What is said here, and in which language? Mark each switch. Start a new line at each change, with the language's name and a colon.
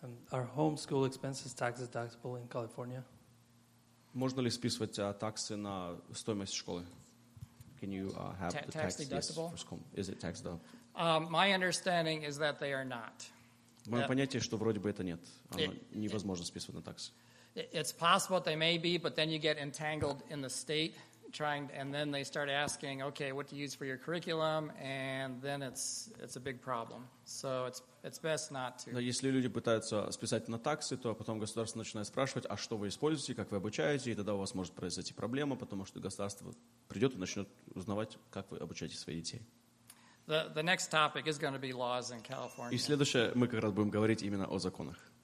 English: Are homeschool expenses tax deductible in California?
Russian: Можно ли списывать таксы на стоимость школы?
English: Can you have the tax deductible? For school? Is it tax deductible? My understanding is that they are not.
Russian: Мое понятие, что вроде бы это нет. Невозможно списывать на таксы.
English: It's possible they may be, but then you get entangled in the state trying to, and then they start asking, okay, what to use for your curriculum, and then it's a big problem. So it's best not to.
Russian: Но если люди пытаются списать на таксы, то потом государство начинает спрашивать, а что вы используете, как вы обучаете, и тогда у вас может произойти проблема, потому что государство придет и начнет узнавать, как вы обучаете своих детей.
English: The next topic is going to be laws in California.
Russian: И следующее мы как раз будем говорить именно о законах.